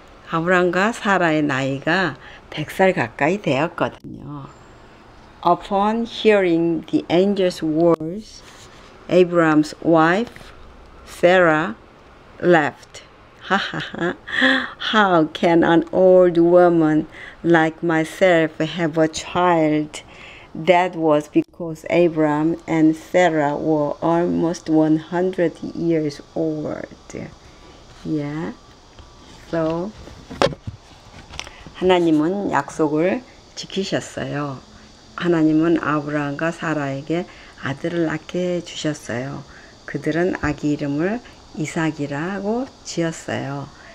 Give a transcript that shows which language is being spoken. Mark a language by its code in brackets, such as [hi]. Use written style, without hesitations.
[ko] 아브라함과 사라의 나이가 100살 가까이 되었거든요. [en] Upon hearing the angel's words, Abraham's wife, Sarah, laughed. How can an old woman like myself have a child? That was because Abraham and Sarah were almost 100 years old. Yeah. [ko] So, 하나님은 약속을 지키셨어요. 하나님은 아브라함과 사라에게 아들을 낳게 주셨어요. 그들은 아기 이름을 이삭이라고 지었어요.